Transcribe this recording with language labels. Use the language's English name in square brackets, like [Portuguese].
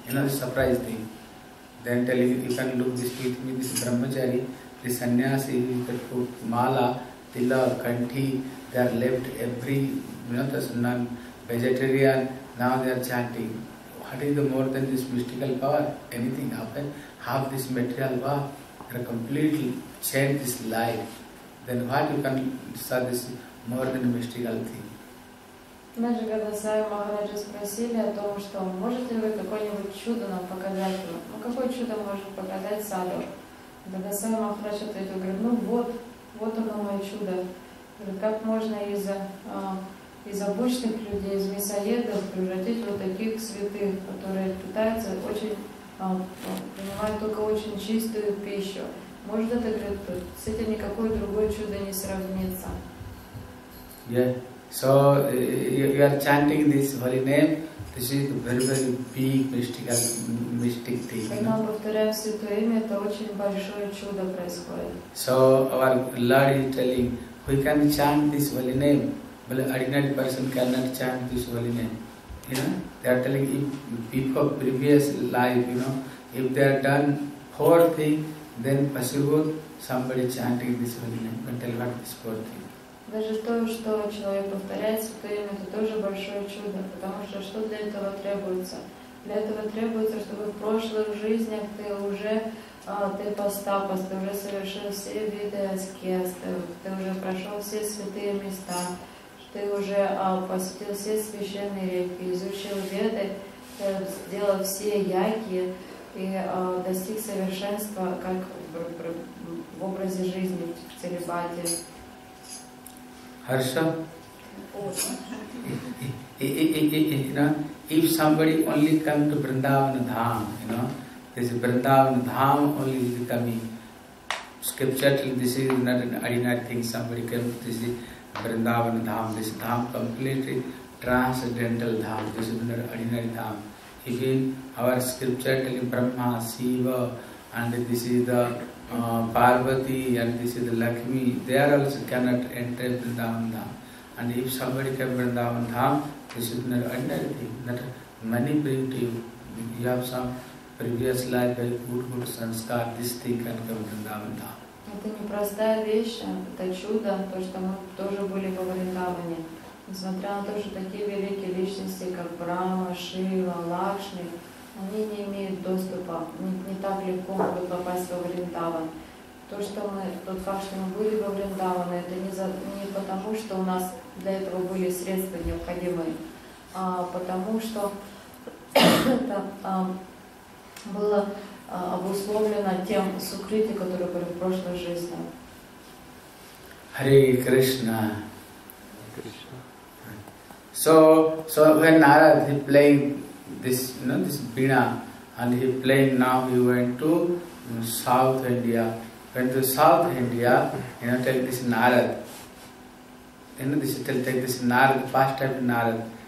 [English] You know, this surprise thing. Then telling you, you can look this with me, this brahmachari, this sannyasi, you can put mala, tila, kanti, they are left every, you know, this non-vegetarian, now they are chanting. What is the more than this mystical power? Anything happen? Half this material power, they completely change this life. Then what you can say this more than mystical thing? [Russian] Знаешь, когда Саи Махараджа спросили о том, что можете ли вы какое-нибудь чудо нам показать? Ну, какое чудо может показать саду? Тогда Саи Махарадж ответил, говорит, ну вот, вот оно мое чудо. Говорит, как можно из обычных людей, из мясоедов превратить вот таких святых, которые питаются принимают только очень чистую пищу. Может, это, говорит, с этим никакое другое чудо не сравнится. [English] Yeah. So, you are chanting this holy name, this is very, very big mystical, mystic thing. So, our Lord is telling, who can chant this holy name? Well, ordinary person cannot chant this holy name. You know, they are telling, if before previous life, you know, if they are done four things, then possible somebody chanting this holy name. But tell what this four thing. [Russian] Даже то, что человек повторяет святое имя, это тоже большое чудо, потому что для этого требуется? Для этого требуется, чтобы в прошлых жизнях ты уже ты постапас, ты уже совершил все виды аскез, ты уже прошел все святые места, ты уже посетил все священные реки, изучил веды, сделал все яги и достиг совершенства как в образе жизни, в целибате. [English] Harsha, you know, if somebody only come to Vrindavan Dham, you know, this Vrindavan Dham only is coming. Scripture, this is not an ordinary thing, somebody came to this Vrindavan Dham. This Dham completely transcendental Dham, this is not an ordinary Dham. Even our scripture telling Brahma, Shiva, and this is the Parvati and this is the Lakshmi, they are also cannot enter Vrindavan Dham. And if somebody can Vrindavan Dham, this is not another thing, that money bring to you. If you have some previous life, very good sanskar, this thing can come Vrindavan Dham. [Russian] Это непростая вещь, это чудо, то, что мы тоже были во Вриндаване. Несмотря на то, что такие великие личности, как Брама, Шива, Лакшми, они не имеют доступа, не так легко могут попасть во Вриндаван. Тот факт, что мы были во Вриндаване, это не потому, что у нас для этого были средства необходимые, а потому, что это было обусловлено тем сукрити, которые были в прошлой жизни. Харе Кришна. [English] So when Narada is playing this, you know, this Veena, and he playing now, he went to South India. Went to South India, you know, tell this Narada. You know, this tell this Narada, past time Narada.